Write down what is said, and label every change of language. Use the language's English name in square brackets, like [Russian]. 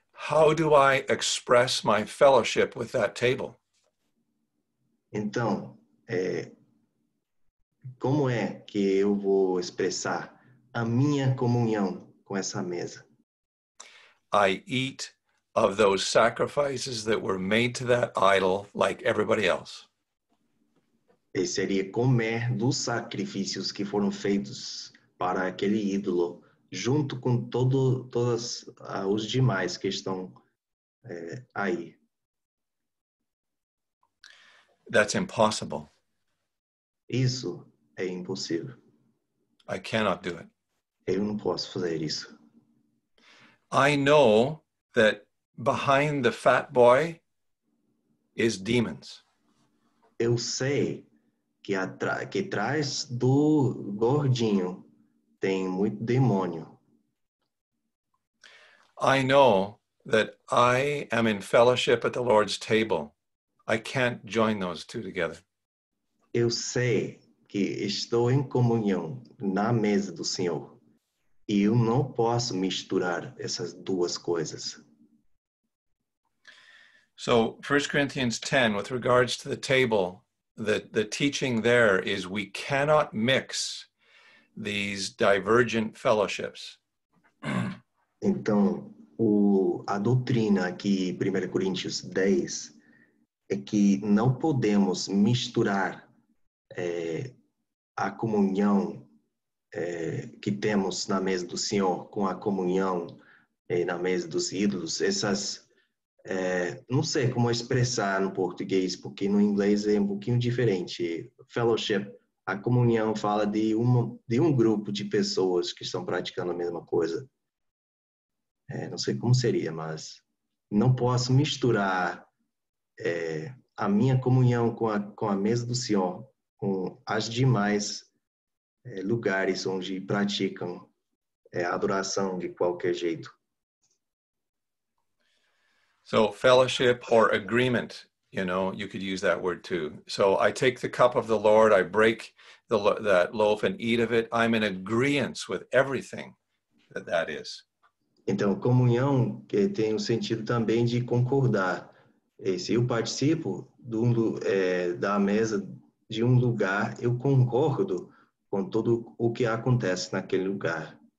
[English] How do I express my fellowship with that table? [Portuguese] Então, como é que eu vou expressar a minha comunhão com essa mesa? [English] I eat of those sacrifices that were made to that idol like everybody else. [Portuguese] E seria comer dos sacrifícios que foram feitos para aquele ídolo, junto com todos os demais que estão aí. [English] That's impossible. [Portuguese] Isso é impossível. [English] I cannot do it. [Portuguese] Eu não posso fazer isso. [English] I know that behind the fat boy is demons. [Portuguese] Eu sei que atrás do gordinho tem muito demônio. [English] I know that I am in fellowship at the Lord's table. I can't join those two together. [Portuguese] Eu sei que estou em comunhão na mesa do Senhor. E eu não posso misturar essas duas coisas. [English] So, 1 Corinthians 10, with regards to the table, the teaching there is we cannot mix these divergent fellowships. [Portuguese] Então, a doutrina aqui, 1 Coríntios 10, é que não podemos misturar a comunhão que temos na mesa do Senhor com a comunhão na mesa dos ídolos, essas não sei como expressar no português, porque no inglês é um pouquinho diferente. Fellowship, a comunhão fala de um grupo de pessoas que estão praticando a mesma coisa. não sei como seria, mas não posso misturar a minha comunhão com a mesa do Senhor, com as demais lugares onde praticam adoração de qualquer jeito. [English] So, fellowship or agreement, you know, you could use that word too. So, I take the cup of the Lord, I break that loaf and eat of it. I'm in agreeance with everything that is. [Portuguese] Então, comunhão que tem o sentido também de concordar. E se eu participo da mesa de lugar, eu concordo com tudo o que acontece naquele lugar.